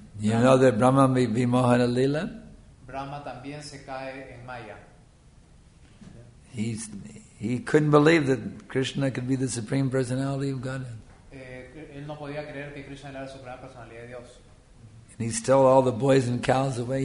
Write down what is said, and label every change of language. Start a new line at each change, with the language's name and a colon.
English: You know that Brahma may be Mohana Lila?
Spanish: Brahma también se cae en Maya.
English: He couldn't believe that Krishna could be the Supreme Personality of Godhead.
Spanish: Él no podía creer que Krishna era la Suprema Personalidad de Dios.
English: And he stole all the boys and cows away.